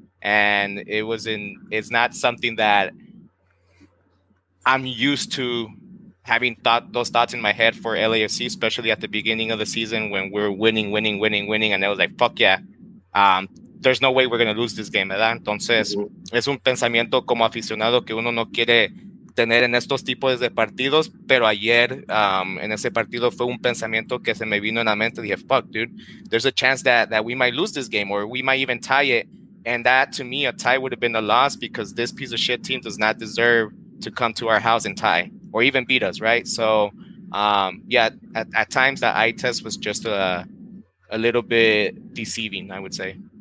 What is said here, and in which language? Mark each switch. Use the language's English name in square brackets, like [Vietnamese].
[English] And it's not something that I'm used to having those thoughts in my head for LAFC, especially at the beginning of the season when we're winning. And I was like, fuck yeah, there's no way we're going to lose this game, ¿verdad? [Spanish] Entonces, es un pensamiento como aficionado que uno no quiere tener en estos tipos de partidos. Pero ayer, en ese partido, fue un pensamiento que se me vino en la mente. [English] Dije, fuck, dude, there's a chance that we might lose this game or we might even tie it. And that, to me, a tie would have been a loss because this piece of shit team does not deserve to come to our house and tie or even beat us, right? So, at times that eye test was just a little bit deceiving, I would say.